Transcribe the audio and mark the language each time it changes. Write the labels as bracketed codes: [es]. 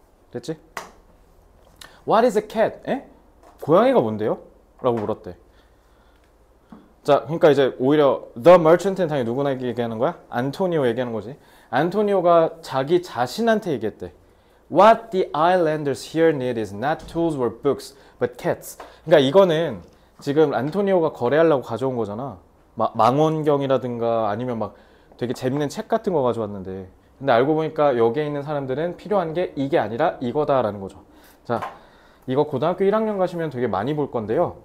[ko] 됐지? [en] What is a cat? [ko] 에? 고양이가 뭔데요? 라고 물었대. 자, 그러니까 이제 오히려 The Merchant은 당연히 누구나 얘기하는 거야? 안토니오 얘기하는 거지. 안토니오가 자기 자신한테 얘기했대. [en] What the islanders here need is not tools or books, but cats. [ko] 그러니까 이거는 지금 안토니오가 거래하려고 가져온 거잖아. 망원경이라든가 아니면 막 되게 재밌는 책 같은 거 가져왔는데. 근데 알고 보니까 여기에 있는 사람들은 필요한 게 이게 아니라 이거다라는 거죠. 자, 이거 고등학교 1학년 가시면 되게 많이 볼 건데요.